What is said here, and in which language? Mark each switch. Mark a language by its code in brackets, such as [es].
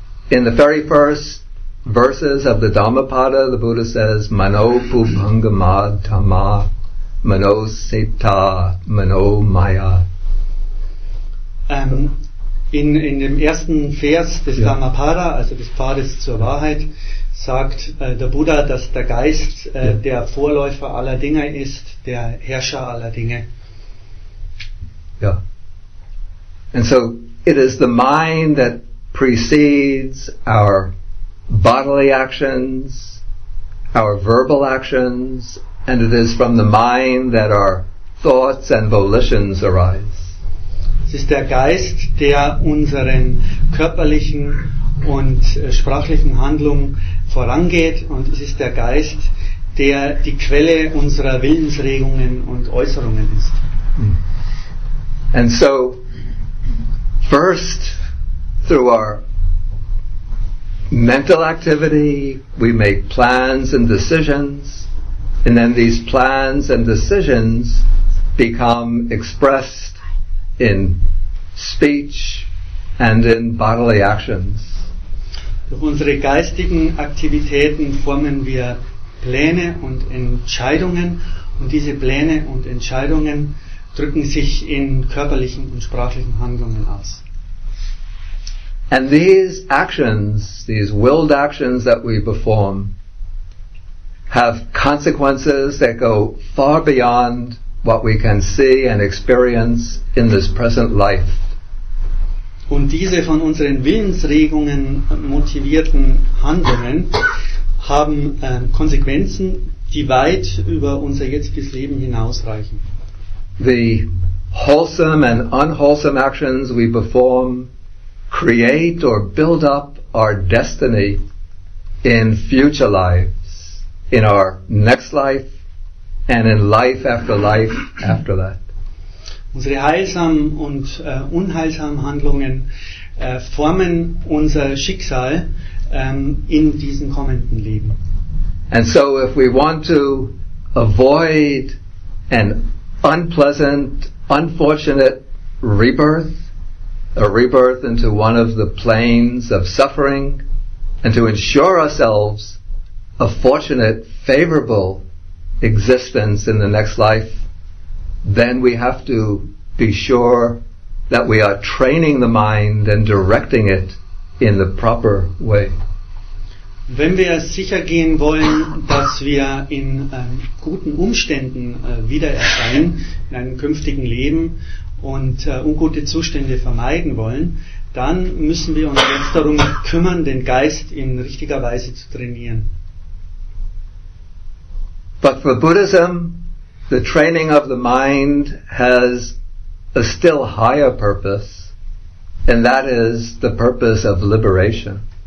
[en] In the very first verses of the Dhammapada, the Buddha says, [pi] Mano bhubhangama dhamma, mano seta, mano maya. [de] In dem ersten Vers des Dhammapada, also des Pfades zur Wahrheit, sagt der Buddha, dass der Geist der Vorläufer aller Dinge ist, der Herrscher aller Dinge. Ja. [en] And so it is the mind that precedes our bodily actions, our verbal actions, and it is from the mind that our thoughts and volitions arise. [de] Es ist der Geist, der unseren körperlichen und sprachlichen Handlungen vorangeht, und es ist der Geist, der die Quelle unserer Willensregungen und Äußerungen ist. [en] And so, first, through our mental activity, we make plans and decisions, and then these plans and decisions become expressed in speech and in bodily actions. [de] Durch unsere geistigen Aktivitäten formen wir Pläne und Entscheidungen, und diese Pläne und Entscheidungen drücken sich in körperlichen und sprachlichen Handlungen aus. [en] And these actions, these willed actions that we perform, have consequences that go far beyond what we can see and experience in this present life. [de] Und diese von unseren Willensregungen motivierten Handlungen haben Konsequenzen, die weit über unser jetziges Leben hinausreichen. [en] The wholesome and unwholesome actions we perform create or build up our destiny in future lives, in our next life and in life after life after that. [de] Unsere heilsamen und unheilsamen Handlungen formen unser Schicksal in diesem kommenden Leben. [en] And so if we want to avoid an unpleasant, unfortunate rebirth, a rebirth into one of the planes of suffering, and to ensure ourselves a fortunate, favorable existence in the next life, then we have to be sure that we are training the mind and directing it in the proper way. [de] Wenn wir sicher gehen wollen, dass wir in guten Umständen wieder erscheinen, in einem künftigen Leben, und ungute Zustände vermeiden wollen, dann müssen wir uns jetzt darum kümmern, den Geist in richtiger Weise zu trainieren. [en] But for Buddhism, the training of the mind has a still higher purpose, and that is the purpose of liberation.